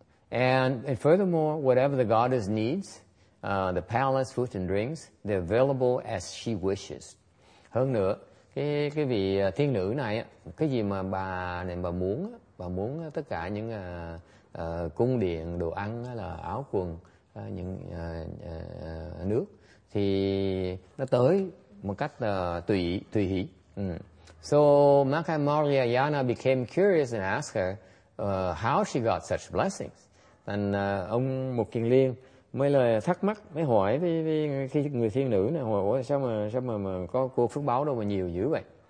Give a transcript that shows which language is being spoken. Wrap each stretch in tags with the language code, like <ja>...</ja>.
<en>And furthermore, whatever the goddess needs, the palace, food and drinks, they're available as she wishes.</en> <vi>Hơn nữa, cái vị thiên nữ này, cái gì mà bà này bà muốn tất cả những cung điện, đồ ăn, là áo quần, những nước, thì nó tới một cách tùy hỷ.</vi> <en>So Mahamaurya Yana became curious and asked her how she got such blessings.</en> <vi>And ông Mục Kiền Liên mới lời thắc mắc, mới hỏi với người thiên nữ này, hỏi sao mà có cô phước báo đâu mà nhiều dữ vậy.</vi>